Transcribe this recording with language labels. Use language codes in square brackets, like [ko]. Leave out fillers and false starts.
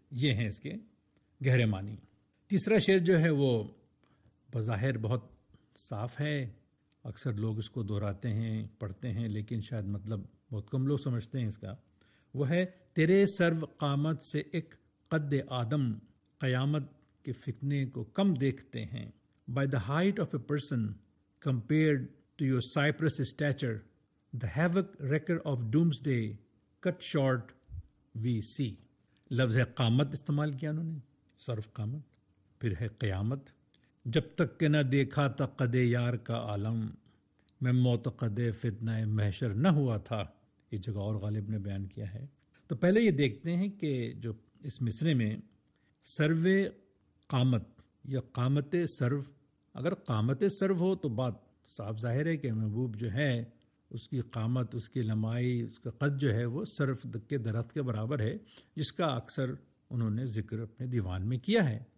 [ur] یہ ہیں اس کے گہرے معنی. تیسرا شعر جو ہے وہ بظاہر بہت صاف ہے، اکثر لوگ اس کو دہراتے ہیں، پڑھتے ہیں، لیکن شاید مطلب بہت کم لوگ سمجھتے ہیں اس کا. وہ ہے تیرے سرو قامت سے ایک قد آدم قیامت کے فتنے کو کم دیکھتے ہیں. [en] By the height of a person compared to your cypress stature, the havoc wrecker of doomsday cut short we see. [ur] لفظ ہے قامت استعمال کیا انہوں نے، سرف قامت، پھر ہے قیامت. جب تک کہ نہ دیکھا تھا قد یار کا عالم، میں معتقد فتنہ محشر نہ ہوا تھا. یہ جگہ اور غالب نے بیان کیا ہے. تو پہلے یہ دیکھتے ہیں کہ جو اس مصرے میں سرو قامت یا قامت سرو، اگر قامت سرو ہو تو بات صاف ظاہر ہے کہ محبوب جو ہے اس کی قامت، اس کی لمائی، اس کا قد جو ہے وہ سرو کے درخت کے برابر ہے، جس کا اکثر انہوں نے ذکر اپنے دیوان میں کیا ہے.